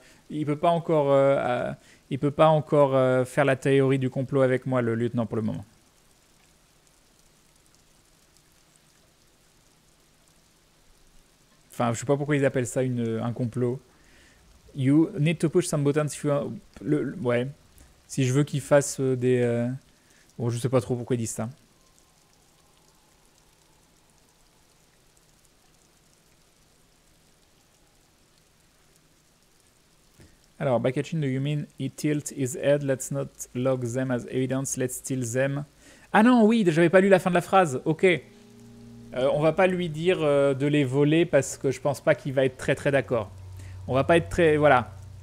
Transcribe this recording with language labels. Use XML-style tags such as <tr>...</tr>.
<fr>Il peut pas encore faire la théorie du complot avec moi, le lieutenant, pour le moment. Enfin, je sais pas pourquoi ils appellent ça un complot.</fr> <en>You need to push some buttons if you want...</en> <fr>Ouais. Si je veux qu'ils fassent des... Bon, je sais pas trop pourquoi ils disent ça.</fr> <en>Alors, by catching, do you mean he tilt his head? Let's not log them as evidence. Let's steal them.</en> <fr>Ah non, oui, j'avais pas lu la fin de la phrase. Ok. On va pas lui dire de les voler parce que je pense pas qu'il va être très très d'accord. On va pas être très... Voilà.</fr>